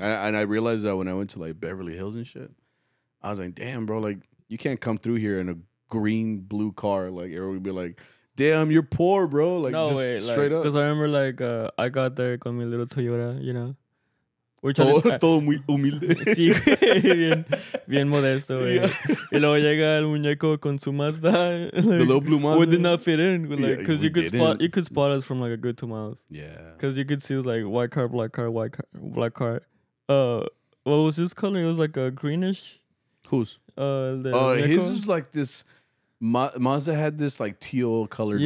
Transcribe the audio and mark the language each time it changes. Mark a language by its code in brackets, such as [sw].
[en] I realized that when I went to like Beverly Hills and shit. I was like, damn, bro, like you can't come through here in a green, blue car. Like everyone would be like, damn, you're poor, bro. Like no, just wait, straight like, up. Because I remember like I got there [es] con mi [en] little Toyota, you know? [es] Todo muy humilde. Sí, bien, bien modesto, güey. [en] Yeah. [es] Y luego llega el muñeco con su Mazda. [en] Like, the little blue Mazda. We did not fit in. Because like, yeah, you could spot us from like a good 2 miles. Yeah. Because you could see it was like white car, black car. What was his color? It was like a greenish. Whose? His is like this. Mazda had this like teal colored blue.